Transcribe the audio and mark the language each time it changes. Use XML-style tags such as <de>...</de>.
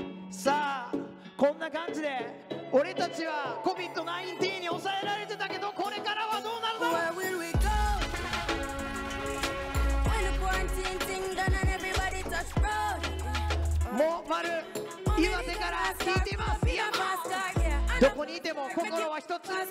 <ja>さあ、こんな感じで俺たちはCOVID-19に抑えられてたけど、これからはどうなるの？</ja> <en>Where will we go? When the quarantine thing done and everybody touch road.</en> <ja>もう丸。岩手から聞いてます。どこにいても心は一つ。</ja>